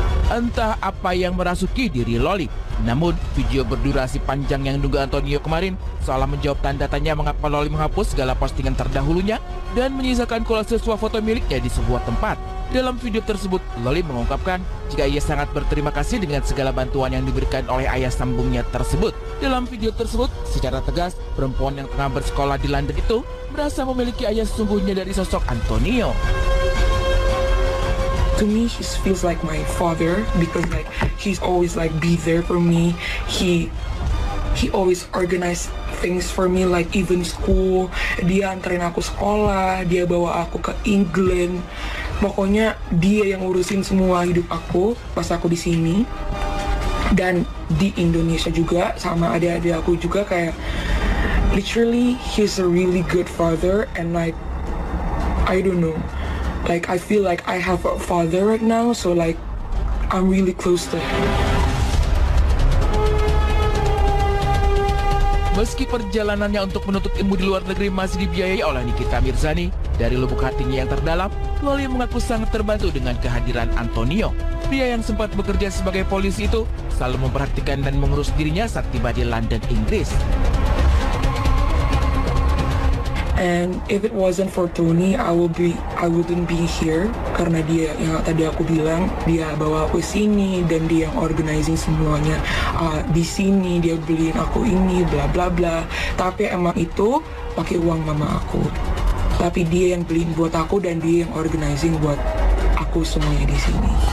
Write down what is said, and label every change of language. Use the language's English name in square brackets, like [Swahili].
[Indonesian] Entah apa yang merasuki diri Loli, namun video berdurasi panjang yang diunggah Antonio kemarin seolah menjawab tanda tanya mengapa Loli menghapus segala postingan terdahulunya dan menyisakan kolase sebuah foto miliknya di sebuah tempat. Dalam video tersebut, Loli mengungkapkan jika ia sangat berterima kasih dengan segala bantuan yang diberikan oleh ayah sambungnya tersebut. Dalam video tersebut, secara tegas, perempuan yang tengah bersekolah di London itu merasa memiliki ayah sesungguhnya dari sosok Antonio. [English] To me, he feels like my father because like he's always like be there for me. He always organize things for me, like even school. [Indonesian] Dia anterin aku sekolah, dia bawa aku ke England. Pokoknya dia yang urusin semua hidup aku pas aku di sini dan di Indonesia juga sama adik-adik aku juga kayak literally he's a really good father and like I don't know. [English] Like, I feel like I have a father right now, so like, I'm really close to him. [Indonesian] Meski perjalanannya untuk menutup ilmu di luar negeri masih dibiayai oleh Nikita Mirzani, dari lubuk hatinya yang terdalam, Loli mengaku sangat terbantu dengan kehadiran Antonio. Pria yang sempat bekerja sebagai polis itu selalu memperhatikan dan mengurus dirinya saat tiba di London, Inggris. [English] And if it wasn't for Tony, I wouldn't be here. [Indonesian] Karena dia yang tadi aku bilang, dia bawa aku sini dan dia yang organizing semuanya di sini. Dia beliin aku ini, bla bla bla. Tapi emang itu pakai uang mama aku. Tapi dia yang beliin buat aku dan dia yang organizing buat aku semuanya di sini.